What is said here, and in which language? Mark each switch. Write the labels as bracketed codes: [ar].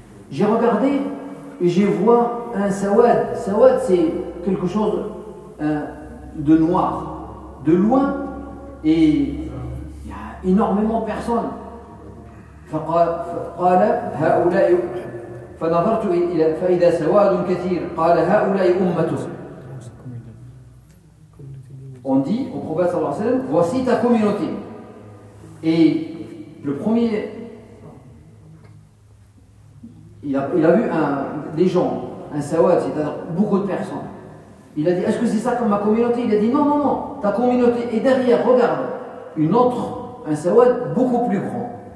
[fr] J'ai regardé et j'ai vu un sawad. Sawad, c'est quelque chose de noir, de loin, et il y a énormément de personnes. [ar] فقال هؤلاء فنظرت إلى فإذا سواد كثير قال هؤلاء أمته. [fr] On dit au prophète [ar] sallallahu alayhi wa sallam [fr] voici ta communauté. Et le premier, il a vu des gens, un sawad, c'est-à-dire beaucoup de personnes. Il a dit est-ce que c'est ça comme ma communauté? Il a dit non, ta communauté est derrière, regarde, un sawad beaucoup plus grand.